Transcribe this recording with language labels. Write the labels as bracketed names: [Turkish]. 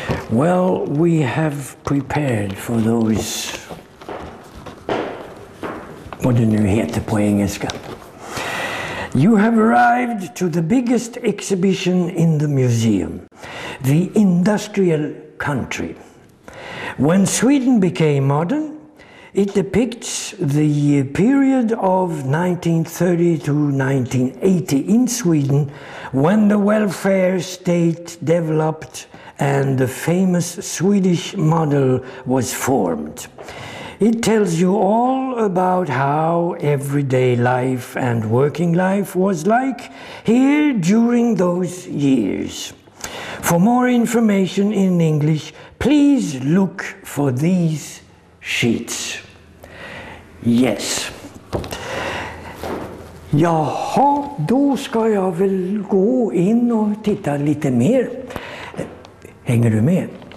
[English] Well, we have prepared for those... [Swedish] Vad det nu heter på engelska. [English] You have arrived to the biggest exhibition in the museum. The industrial country. When Sweden became modern, it depicts the period of 1930 to 1980 in Sweden when the welfare state developed and the famous Swedish model was formed. It tells you all about how everyday life and working life was like here during those years. For more information in English, please look for these sheets. Yes. [Swedish] Jaha, då ska jag väl gå in och titta lite mer. Hänger du med?